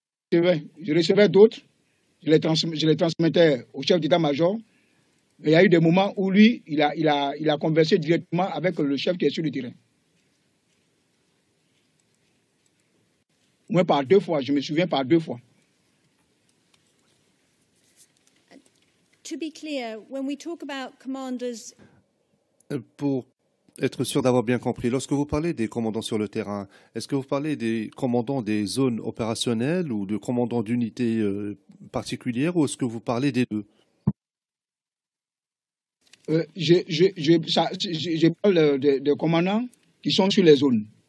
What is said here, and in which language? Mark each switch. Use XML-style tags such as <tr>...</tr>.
<fr>Je recevais d'autres. Je les transmettais au chef d'état-major. Mais il y a eu des moments où lui, il a conversé directement avec le chef qui est sur le terrain. Moi, par deux fois, je me souviens par deux fois.</fr> <en>To be clear, when we talk about commanders...</en> <fr>Pour être sûr d'avoir bien compris, lorsque vous parlez des commandants sur le terrain, est-ce que vous parlez des commandants des zones opérationnelles ou de commandants d'unités particulières, ou est-ce que vous parlez des deux? Je parle de commandants qui sont sur les zones.</fr>